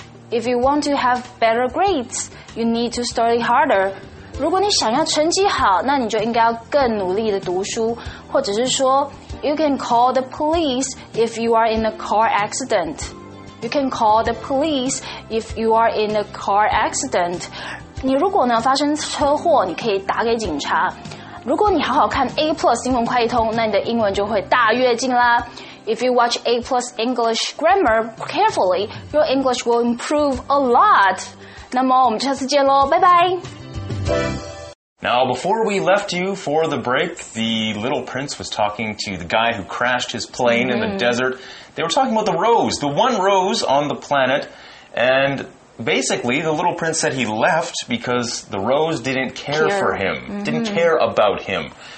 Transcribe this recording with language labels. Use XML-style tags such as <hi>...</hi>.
<en>If you want to have better grades, you need to study harder.</en> <zh>如果你想要成绩好，那你就应该要更努力的读书，或者是说 ，</zh> <en>You can call the police if you are in a car accident. You can call the police if you are in a car accident.</en> <zh>你如果呢发生车祸，你可以打给警察。如果你好好看 A Plus 英文快译通，那你的英文就会大跃进啦。</zh> <en>If you watch A Plus English Grammar carefully, your English will improve a lot.</en> <zh>那么我们下次见咯，拜拜。</zh> <en>Now, before we left you for the break, the little prince was talking to the guy who crashed his plane in the desert. They were talking about the rose, the one rose on the planet. And basically, the little prince said he left because the rose didn't care for him, didn't care about him.</en>